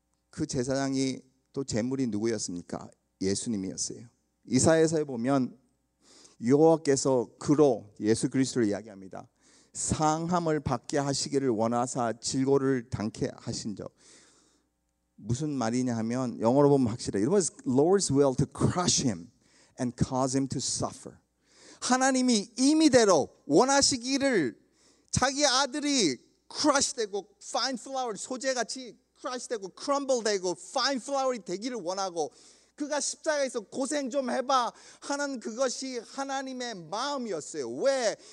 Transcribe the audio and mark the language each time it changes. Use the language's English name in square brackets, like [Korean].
[Korean] 그 제사장이 또 제물이 누구였습니까? 예수님이었어요. 이사야서에 보면 여호와께서 그로 예수 그리스도를 이야기합니다. 상함을 받게 하시기를 원하사 질고를 당케 하신 적. 무슨 말이냐 하면 영어로 보면 확실해. [English] It was Lord's will to crush him and cause him to suffer. [Korean] 하나님이 임의대로 원하시기를 자기 아들이 crush 되고 fine flour 소재같이 crush 되고 crumble 되고 fine flour이 되기를 원하고 그가 십자가에서 고생 좀 해봐 하는 그것이 하나님의 마음이었어요. 왜?